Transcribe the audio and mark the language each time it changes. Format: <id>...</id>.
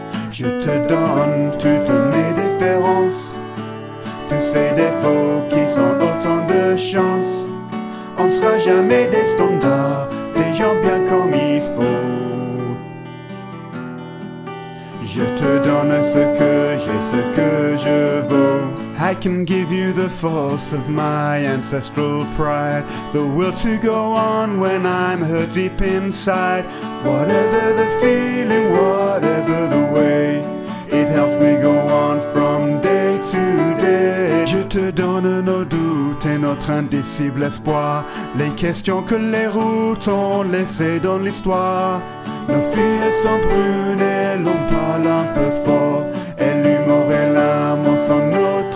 <fr>Je te donne toutes mes différences, tous ces défauts qui sont autant de chances. On ne sera jamais des standards, des gens bien comme il faut. Je te donne ce que j'ai, ce que je vaux.</fr> <en>I can give you the force of my ancestral pride. The will to go on when I'm hurt deep inside. Whatever the feeling, whatever the way, it helps me go on from day to day.</en> <fr>Je te donne nos doutes et notre indicible espoir. Les questions que les routes ont laissées dans l'histoire. Nos filles sont brunes et l'on parle un peu fort. Et l'humour et l'amour sont nos.</fr>